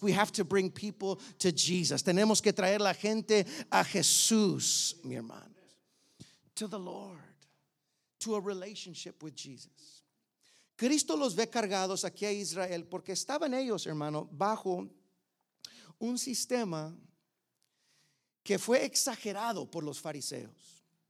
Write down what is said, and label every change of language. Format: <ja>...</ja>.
<en>We have to bring people to Jesus.</en> <es>Tenemos que traer la gente a Jesús, mi hermano.</es> <en>To the Lord. To a relationship with Jesus.</en> <es>Cristo los ve cargados aquí a Israel porque estaban ellos, hermano, bajo un sistema que fue exagerado por los fariseos.</es>